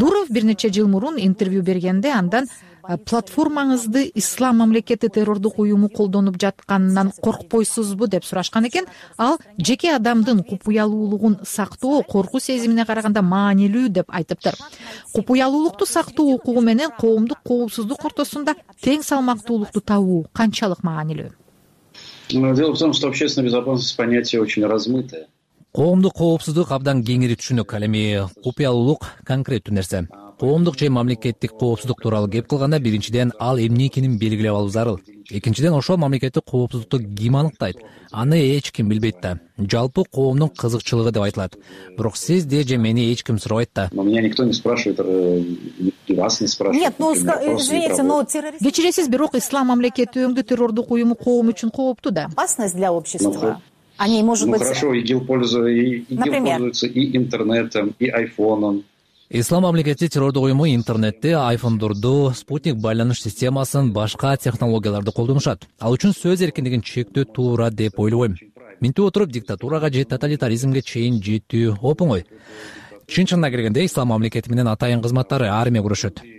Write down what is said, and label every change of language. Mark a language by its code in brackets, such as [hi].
[ky] Дуров бир нече жыл мурун интервью бергенде андан платформаңызды ислам мамлекети террордук уюму колдонуп жатканынан коркпойсузбу деп сурашкан экен. Ал жеке адамдын купуялуулугун сактоо коркуу сезимине караганда маанилүү деп айтыптыр. Купуялуулукту сактоо укугу менен коомдук коопсуздук ортосунда тең салмактуулукту табуу канчалык маанилүү? [ru] Дело в том, что общественная безопасность понятие очень размытое. [ky] Коомдук коопсуздук абдан кеңири түшүнүк. Ал эми купуялуулук конкреттүү нерсе. Коомдук же мамлекеттик коопсуздук тууралуу кеп кылганда, биринчиден ал эмне экенин белгилеп алуу зарыл. Экинчиден ошол мамлекеттик коопсуздукту ким аныктайт? Аны эч ким билбейт да. Жалпы коомдун кызыкчылыгы деп айтылат. Бирок сиз де же мени эч ким сурабайт да. [ru] Но меня никто не спрашивает, вас не спрашивают. Нет, ну извините, но террорист. [ky] Кечиресиз, бирок ислам мамлекети өңдү террордук уюму коом үчүн кооптуу да. [ru] Опасность для общества. Они, может быть, хорошо, ИГИЛ пользуется и интернетом, и айфоном. [ky] Ислам мамлекети террордук уюму интернетти, айфондорду, спутник байланыш системасын, башка технологияларды колдонушат. Ал үчүн сөз эркиндигин чектөө туура деп ойлобойм. Минтип отуруп диктатурага же тоталитаризмге чейин жетүү опоңой. Чын чынына келгенде, ислам мамлекети менен атайын кызматтары армия күрөшөт.